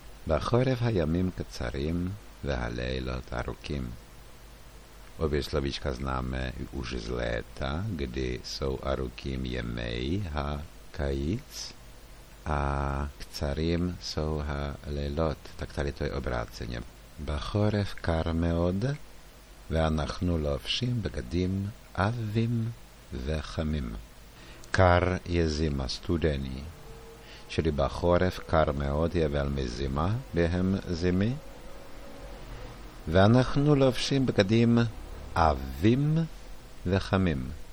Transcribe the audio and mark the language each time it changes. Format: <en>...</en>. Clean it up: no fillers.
<he>Bachorev hajamim kacarim והלילות ארוכים.</he> <cs>Obě slovíčka známe už z léta, kdy jsou</cs> <he>ארוכים ימי הקיץ</he> <cs>a קצרים jsou הלילות. Tak tady to je obráceně.</cs> <he>בחורף קר מאוד ואנחנו לובשים בגדים עבים וחמים.</he> <cs>קר je zima, studený. Čili</cs> <he>בחורף קר מאוד</he> <cs>je velmi zima během zimy.</cs> <he>ואנחנו לובשים בגדים עבים וחמים.</he>